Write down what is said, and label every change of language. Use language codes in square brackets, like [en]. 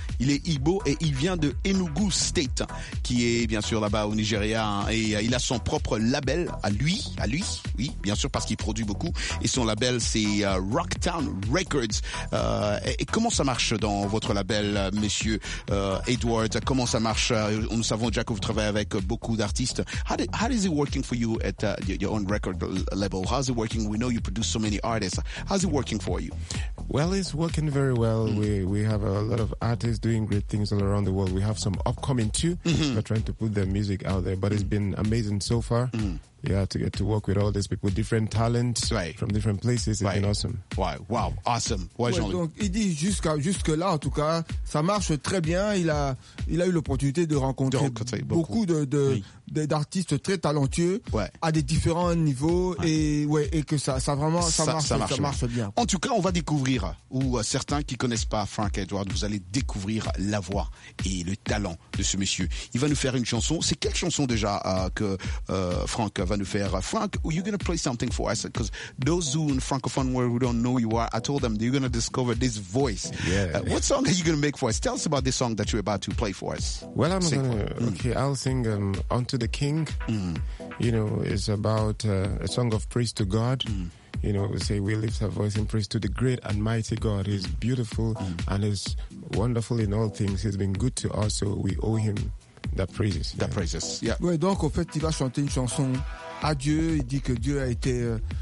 [fr] Il est Igbo et il vient de Enugu State, qui est bien sûr là-bas au Nigeria, et il a son propre label à lui, oui, bien sûr, parce qu'il produit beaucoup, et son label c'est Rocktown Records. Et comment ça marche dans votre label, monsieur Edward? Comment ça marche? Nous savons déjà que vous travaillez avec beaucoup d'artistes. [en] How is it working for you at your own record label? How's it working? We know you produce so many artists. How's it working for you? Well, it's working very well. We have a lot of artists doing great things all around the world. We have some upcoming too. They're trying to put their music out there. But it's been amazing so far. Yeah, to get to work with all these people, different talents right. from different places, it's right. been awesome. Wow, awesome. Ouais, [fr] ouais, donc, il dit jusque-là, en tout cas, ça marche très bien. Il a eu l'opportunité de rencontrer beaucoup de, de, oui. d'artistes très talentueux à des différents niveaux et que ça vraiment ça marche bien. En tout cas, on va découvrir, ou certains qui connaissent pas Frank Edward, vous allez découvrir la voix et le talent de ce monsieur. Il va nous faire une chanson. C'est quelle chanson déjà que Frank va nous faire? [en] Frank, are you going to play something for us? Because those who in francophone world who don't know you are, I told them you're going to discover this voice. Yeah. What song are you going to make for us? Tell us about this song that you're about to play for us. Well, I'm going to I'll sing Unto the King. You know, it's about a song of praise to God. You know, we say we lift our voice in praise to the great and mighty God. He's beautiful and is wonderful in all things. He's been good to us, so we owe him the praises. The praises, yeah. [fr] Ouais, donc en fait, il va chanter une chanson à Dieu. Il dit que Dieu a été...